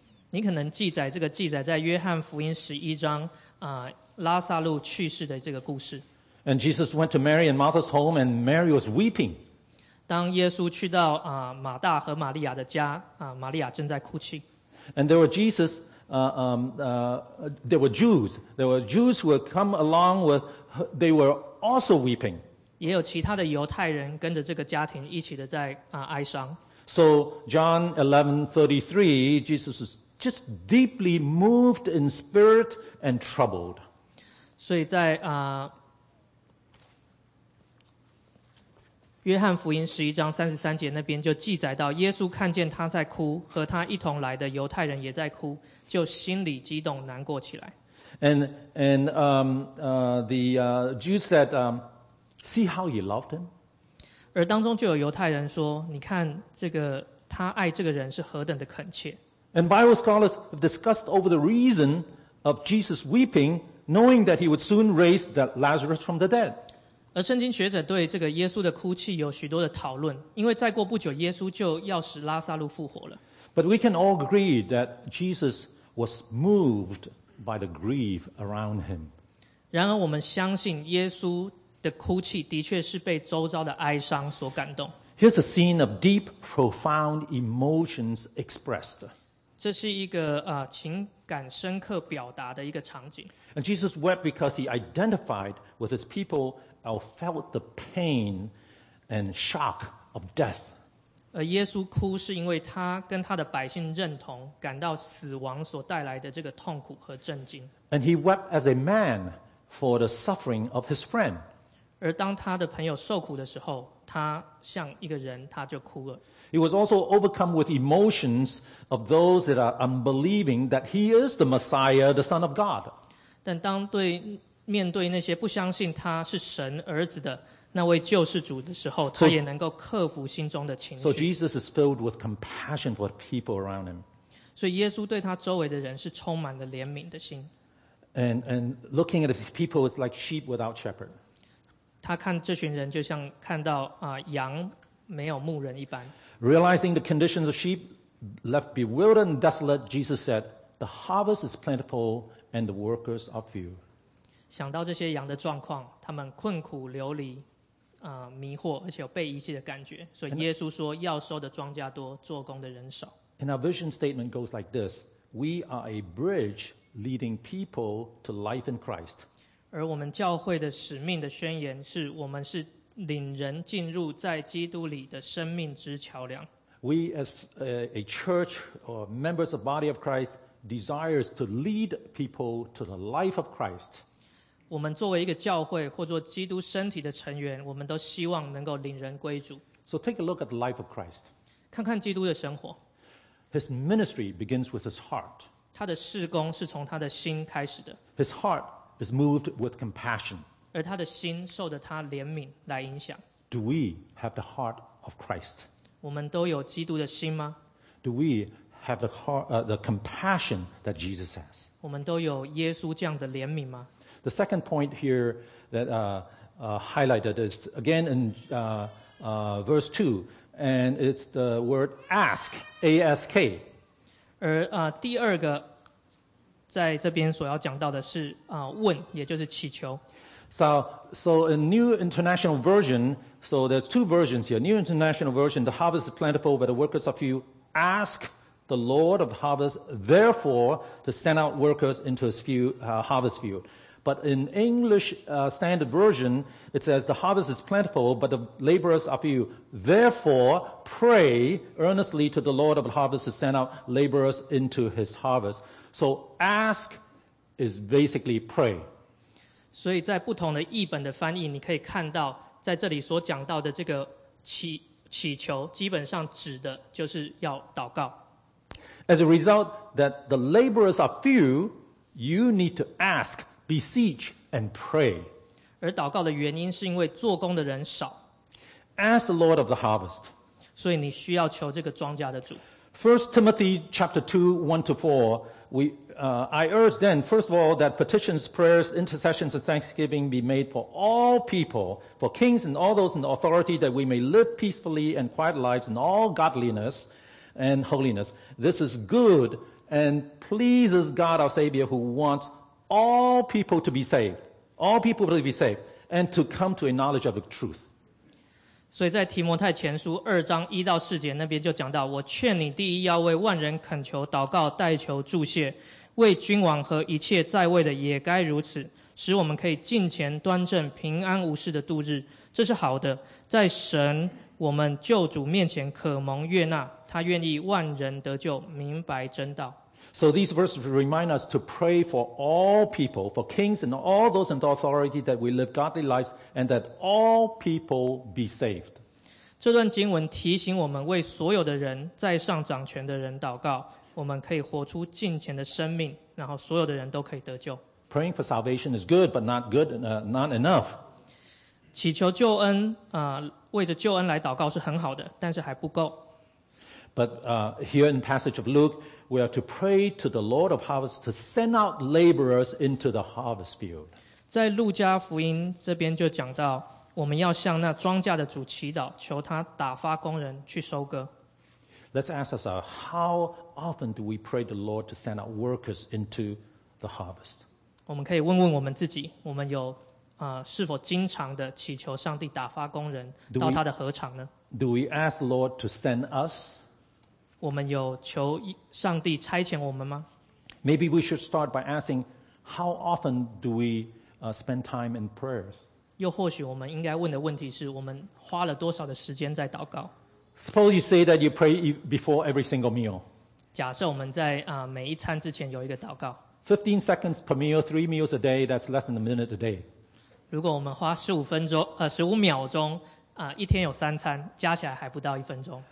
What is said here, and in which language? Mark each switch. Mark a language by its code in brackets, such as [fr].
[zh] 你可能记载这个记载在约翰福音十一章啊，拉撒路去世的这个故事。 [en] And Jesus went to Mary and Martha's home, and Mary was weeping. [zh] 当耶稣去到啊马大和玛利亚的家啊，玛利亚正在哭泣。 [en] And there were Jesus, there were Jews. There were Jews who had come along with. They were also weeping. [zh] 也有其他的犹太人跟着这个家庭一起的在啊哀伤。 [en] So John 11:33, Jesus is just deeply moved in spirit and troubled. [zh] 所以在啊。约翰福音十一章三十三节那边就记载到，耶稣看见他在哭，和他一同来的犹太人也在哭，就心里激动，难过起来。 [en] And the Jews said, see how he loved him. [zh] 而当中就有犹太人说，你看这个他爱这个人是何等的恳切。 [en] And Bible scholars have discussed over the reason of Jesus weeping, knowing that he would soon raise that Lazarus from the dead. [zh] 而圣经学者对这个耶稣的哭泣有许多的讨论，因为再过不久耶稣就要使拉撒路复活了。 [en] But we can all agree that Jesus was moved by the grief around him. [zh] 然而我们相信耶稣的哭泣的确是被周遭的哀伤所感动。 [en] Here's a scene of deep, profound emotions expressed. [zh] 这是一个情感深刻表达的一个场景。 [en] And Jesus wept because he identified with his people. I felt the pain and shock of death. [zh] 而耶稣哭是因为他跟他的百姓认同，感到死亡所带来的这个痛苦和震惊。 [en] And he wept as a man for the suffering of his friend. [zh] 而当他的朋友受苦的时候，他像一个人，他就哭了。 [en] He was also overcome with emotions of those that are unbelieving that he is the Messiah, the Son of God. [zh] 但当对面对那些不相信他是神儿子的那位救世主的时候，他也能够克服心中的情绪。 [en] So Jesus is filled with compassion for the people around him. [zh] 所以耶稣对他周围的人是充满了怜悯的心。 [en] And looking at his people is like sheep without shepherd. [zh] 他看这群人就像看到羊没有牧人一般。 [en] Realizing the conditions of sheep left bewildered and desolate, Jesus said, "The harvest is plentiful, and the workers are few." [zh] 想到这些羊的状况，他们困苦流离，迷惑，而且有被遗弃的感觉。所以耶稣说，要收的庄稼多，做工的人少。 [en] And our vision statement goes like this: We are a bridge leading people to life in Christ. [zh] 而我们教会的使命的宣言是，我们是领人进入在基督里的生命之桥梁。 [en] We as a church or members of body of Christ desires to lead people to the life of Christ. [zh] 我们作为一个教会或做基督身体的成员，我们都希望能够领人归主。 [en] So take a look at the life of Christ. [zh] 看看基督的生活。 [en] His ministry begins with his heart. [zh] 他的事工是从他的心开始的。 [en] His heart is moved with compassion. [zh] 而他的心受着他怜悯来影响。 [en] Do we have the heart of Christ? [zh] 我们都有基督的心吗？ [en] Do we have the heart, the compassion that Jesus has? [zh] 我们都有耶稣这样的怜悯吗？ [en] The second point here that highlighted is again in verse 2, and it's the word ask, A-S-K. [zh] 而第二个在这边所要讲到的是问，也就是祈求。 [en] So a new international version, so there's two versions here. New international version, the harvest is plentiful, but the workers are few. Ask the Lord of the harvest, therefore, to send out workers into his field, harvest field. But in English standard version, it says the harvest is plentiful, but the laborers are few. Therefore, pray earnestly to the Lord of the harvest to send out laborers into his harvest. So ask is basically pray. [zh] 所以在不同的译本的翻译，你可以看到在这里所讲到的这个祈求，基本上指的就是要祷告。 [en] As a result that the laborers are few, you need to ask. Beseech and pray. [zh] 而祷告的原因是因为做工的人少。 [en] Ask the Lord of the harvest. [zh] 所以你需要求这个庄稼的主。 [en] First Timothy chapter 2:1-4, I urge then, first of all, that petitions, prayers, intercessions, and thanksgiving be made for all people, for kings and all those in authority, that we may live peacefully and quiet lives in all godliness and holiness. This is good and pleases God our Savior, who wants all people to be saved, all people to be saved, and to come to a knowledge of the truth. [zh] 所以在提摩太前书二章一到四节那边就讲到，我劝你第一要为万人恳求祷告代求祝谢，为君王和一切在位的也该如此，使我们可以敬虔端正平安无事的度日，这是好的，在神我们救主面前可蒙悦纳，他愿意万人得救明白真道。 [en] So these verses remind us to pray for all people, for kings and all those in authority, that we live godly lives and that all people be saved. [zh] 这段经文提醒我们为所有的人，在上掌权的人祷告，我们可以活出敬虔的生命，然后所有的人都可以得救。 [en] Praying for salvation is good, but not enough. [zh] 祈求救恩，为着救恩来祷告是很好的，但是还不够。 [en] But here in the passage of Luke, we are to pray to the Lord of harvest to send out laborers into the harvest field. [zh] 在路加福音这边就讲到，我们要向那庄稼的主祈祷，求他打发工人去收割。 [en] Let's ask ourselves, how often do we pray the Lord to send out workers into the harvest? [zh] 我们可以问问我们自己，我们有是否经常的祈求上帝打发工人到他的禾场呢？ [en] Do we ask the Lord to send us? [zh] 我们有求上帝差遣我们吗？ [en] Maybe we should start by asking, how often do we spend time in prayers? [zh] 又或许我们应该问的问题是，我们花了多少的时间在祷告？ [en] Suppose you say that you pray before every single meal. [zh] 假设我们在每一餐之前有一个祷告。 [en] 15 seconds per meal, 3 meals a day, that's less than a minute a day. [zh] 如果我们花15秒钟一天有三餐，加起来还不到一分钟。